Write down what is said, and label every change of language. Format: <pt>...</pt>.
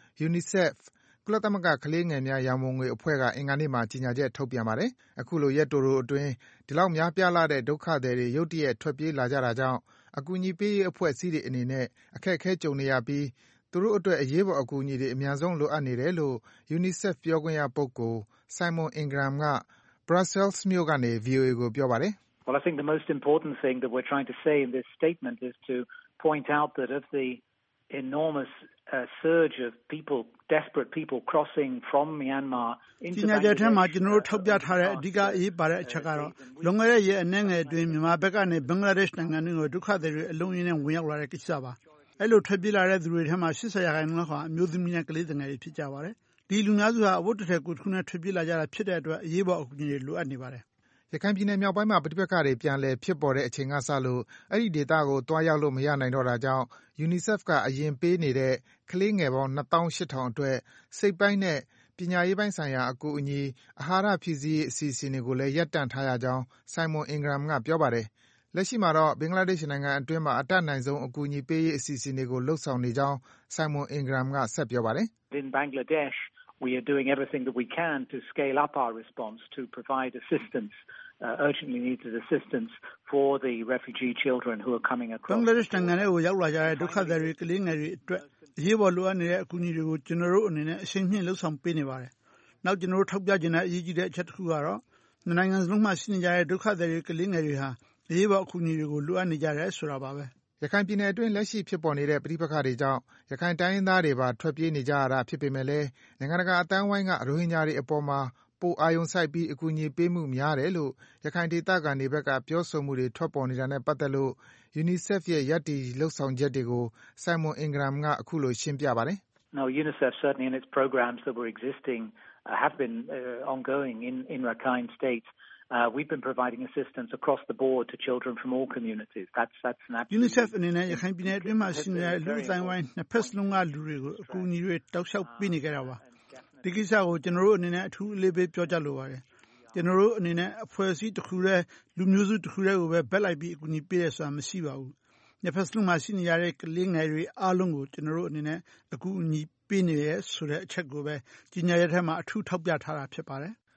<my>UNICEF ကုလသမဂ္ဂကလေးငယ်များရာမုံငွေအဖွဲ့ကအင်္ဂါနေ့မှာကြေညာချက်ထုတ်ပြန်ပါတယ်။အခုလိုရက်တိုးတိုးအတွင်းဒီလောက်များပြားလာတဲ့ဒုက္ခသည်တွေရုတ်တရက်ထွက်ပြေးလာကြတာကြောင့်အကူအညီပေးရေးအဖွဲ့အစည်းတွေအနေနဲ့အခက်အခဲကြုံနေရပြီးသူတို့အတွက်အရေးပေါ်အကူအညီတွေအများဆုံးလိုအပ်နေတယ်လို့ UNICEF ပြောခွင့်ရပုဂ္ဂိုလ် Simon Ingram က Brussels မြို့ကနေ VOA ကိုပြောပါတယ်</my> <en>။ Well, I think the most important thing that we're trying to say in this statement is to point out that of the enormous surge of people, desperate people crossing from Myanmar into Myanmar.</en> <my>ဒီနေ့ထဲမှာကျွန်တော်ထုတ်ပြထားတဲ့အဓိကအရေးပါတဲ့အချက်ကတော့လွန်ခဲ့တဲ့ရက်အနည်းငယ်အတွင်းမြန်မာဘက်ကနေဘင်္ဂလားဒေ့ရှ်နိုင်ငံကိုဒုက္ခသည်တွေအလုံးကြီးနဲ့ဝင်ရောက်လာတဲ့ကိစ္စပါ။အဲ့လိုထွက်ပြေးလာတဲ့သူတွေထဲမှာ80ရာခိုင်နှုန်းကအမျိုးသမီးနဲ့ကလေးငယ်တွေဖြစ်ကြပါတယ်။ဒီလူများစုဟာအဝတ်တထည်ကိုတစ်ခုနဲ့ထွက်ပြေးလာကြတာဖြစ်တဲ့အတွက်အရေးပေါ်အကူအညီလိုအပ်နေပါတယ် ။ရခိုင်ပြည်နယ်မြောက်ပိုင်းမှာပဋိပက္ခတွေပြန်လည်ဖြစ်ပေါ်တဲ့အချိန်ကစလို့အဲ့ဒီဒေသကိုတွားရောက်လို့မရနိုင်တော့တာကြောင့် UNICEF ကအရင်ပေးနေတဲ့ကလေးငယ်ပေါင်း 28,000 အတွက်စိတ်ပိုင်းနဲ့ပညာရေးပိုင်းဆိုင်ရာအကူအညီအာဟာရဖြည့်ဆည်းအစီအစဉ်တွေကိုလည်းရပ်တန့်ထားရကြောင်း Simon Ingram ကပြောပါတယ်။လက်ရှိမှာတော့ဘင်္ဂလားဒေ့ရှ်နိုင်ငံအတွင်းမှာအတက်နိုင်ဆုံးအကူအညီပေးရေးအစီအစဉ်တွေကိုလှုပ်ဆောင်နေကြောင်းဆိုင်မွန်အင်ဂရမ်ကဆက်ပြောပါတယ်</my> <en>In Bangladesh we are doing everything that we can to scale up our response to provide assistance urgently needed assistance for the refugee children who are coming across</en> <my>ဘင်္ဂလားဒေ့ရှ်နိုင်ငံရဲ့ရောက်လာကြတဲ့ဒုက္ခသည်တွေကလေးငယ်တွေအတွက်အရေးပေါ်လိုအပ်နေတဲ့အကူအညီတွေကိုကျွန်တော်တို့အနေနဲ့အရှိန်မြှင့်လှုပ်ဆောင်ပေးနေပါတယ်နောက်ကျွန်တော်တို့ထောက်ပြချင်တဲ့အရေးကြီးတဲ့အချက်တစ်ခုကတော့နိုင်ငံလုံးမှရှိနေကြတဲ့ဒုက္ခသည်တွေကလေးငယ်တွေဟာဒီဘောက်ခုနီကိုလိုအပ်နေကြတယ်ဆိုတာပါပဲ ရခိုင်ပြည်နယ်အတွင်းလက်ရှိဖြစ်ပေါ်နေတဲ့ပဋိပက္ခတွေကြောင့်ရခိုင်တိုင်းရင်းသားတွေပါထွက်ပြေးနေကြရတာဖြစ်ပေမဲ့နိုင်ငံတကာအသံဝိုင်းကရိုဟင်ဂျာတွေအပေါ်မှာပိုအာယုံစိုက်ပြီးအကူအညီပေးမှုများတယ်လို့ရခိုင်ဒေသခံတွေဘက်ကပြောဆိုမှုတွေထွက်ပေါ်နေတာနဲ့ပတ်သက်လို့ UNICEF ရဲ့ရည်တည်လှုပ်ဆောင်ချက်တွေကို Simon Ingram ကအခုလိုရှင်းပြပါတယ်</my> <en>Now UNICEF certainly in its programs that were existing have been ongoing in Rakhine states we've been providing assistance across the board to children from all communities that's an absolute</en> <my>UNICEF အနေနဲ့ရခိုင်ပြည်နယ်အတွင်းမှာရှိနေတဲ့လူတိုင်းဝိုင်းနှစ်ဖက်စလုံးကလူတွေကိုအကူအညီတွေတောက်လျှောက်ပေးနေကြတာပါဒီကိစ္စကိုကျွန်တော်တို့အနေနဲ့အထူးအလေးပေးပြောကြားလိုပါတယ်ကျွန်တော်တို့အနေနဲ့အဖွဲ့အစည်းတစ်ခုတည်းလူမျိုးစုတစ်ခုတည်းကိုပဲဘက်လိုက်ပြီးအကူအညီပေးရဆိုတာမရှိပါဘူးနှစ်ဖက်စလုံးမှာရှိနေရတဲ့ကလေးငယ်တွေအားလုံးကိုကျွန်တော်တို့အနေနဲ့အကူအညီပေးနေရဆိုတဲ့အချက်ကိုပဲကြီးညာရေးထဲမှာအထူးထောက်ပြထားတာဖြစ်ပါတယ်</my>